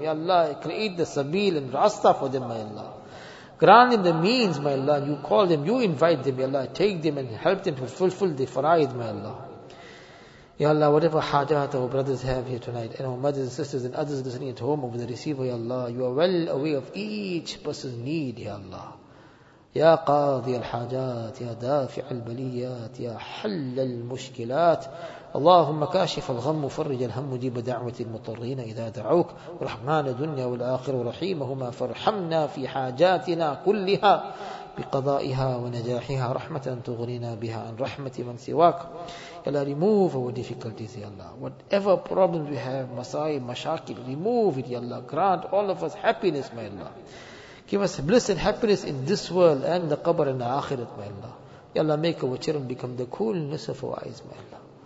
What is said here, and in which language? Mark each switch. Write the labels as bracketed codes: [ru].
[en] Ya Allah, create the sabil and rasta for them, my Allah. Grant them the means, my Allah. You call them, you invite them, Ya Allah. Take them and help them to fulfill the faraid, my Allah. Ya Allah, whatever hajat our brothers have here tonight, and our mothers and sisters and others listening at home over the receiver, Ya Allah, you are well aware of each person's need, Ya Allah. [ar] يا قاضي الحاجات يا دافع البليات يا حل المشكلات اللهم كاشف الغم فرج الهم مجيب دعوة المضطرين إذا دعوك رحمن الدنيا والآخر ورحيمهما فارحمنا في حاجاتنا كلها بقضائها ونجاحها رحمة تغنينا بها عن رحمة من سواك. [en] يا الله, remove our difficulties, يا الله. Whatever problems we have, [ar] مصائب, مشاكل, [en] remove it, يا الله. Grant all of us happiness, my Allah. Give us bliss and happiness in this world and the qabr and the akhirat, my Allah. Ya Allah, make our children become the coolness of our eyes, my Allah.